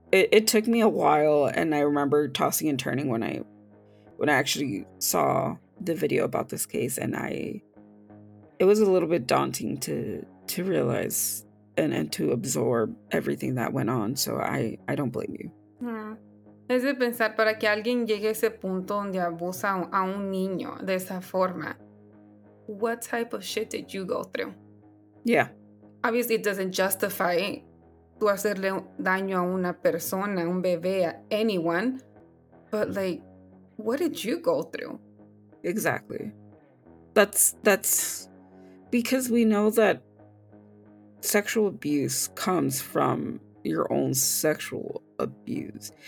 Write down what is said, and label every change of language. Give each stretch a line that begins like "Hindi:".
English: It took me a while, and I remember tossing and turning when I actually saw the video about this case, and it was a little bit daunting to realize and to absorb everything that went on. So I don't blame you.
Spanish: Es de pensar para que alguien llegue a ese punto donde abusa a un niño de esa forma.
English: What type of shit did you go through? Yeah. Obviously, it doesn't justify
Spanish: tu hacerle daño a una persona, un bebé, a anyone.
English: But, like, what did you go through? Exactly. That's because we know that sexual abuse comes from your own sexual abuse.